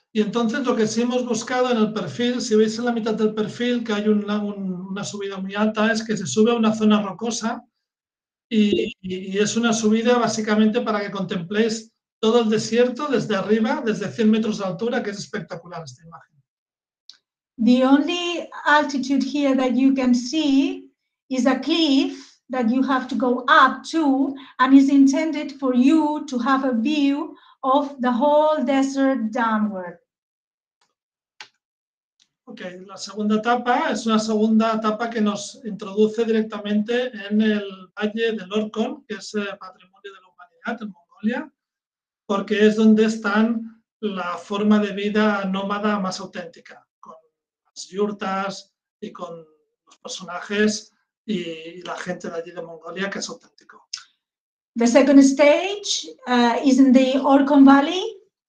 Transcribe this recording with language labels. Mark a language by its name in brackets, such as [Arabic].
[Spanish] Y entonces lo que sí hemos buscado en el perfil, si veis en la mitad del perfil que hay una subida muy alta, es que se sube a una zona rocosa y es una subida básicamente para que contempléis todo el desierto desde arriba, desde 100 metros de altura, que es espectacular esta imagen. [English] The only altitude here that you can see is a cliff that you have to go up to, and is intended for you to have a view of the whole desert downward. [Spanish] Okay, la segunda etapa es una segunda etapa que nos introduce directamente en el valle del Orkhon, que es patrimonio de la humanidad en Mongolia, porque es donde están la forma de vida nómada más auténtica, con las yurtas y con los personajes y la gente de allí de Mongolia, que es auténtico. [English] The second stage is in the Orkhon Valley.